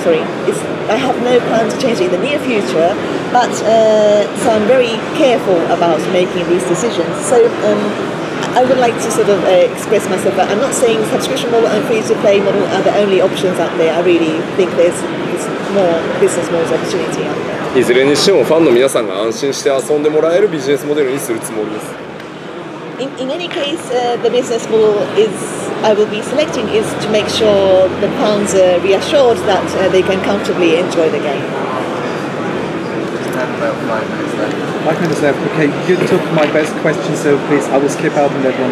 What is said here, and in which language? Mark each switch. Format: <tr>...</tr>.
<en>Sorry, I have no plan to change it in the near future. But so I'm very careful about making these decisions. So I would like to sort of express myself that I'm not saying subscription model and free to play model are the only options out there. I really think there's more business models opportunity out there.</en> <ja>いずれにしてもファンの皆さんが安心して遊んでもらえるビジネスモデルにするつもりです。</ja> <en>In any case, the business model I will be selecting is to make sure the fans are reassured that they can comfortably enjoy the game. Five minutes left. Okay, you took my best question, so please, I will skip out on that one.</en>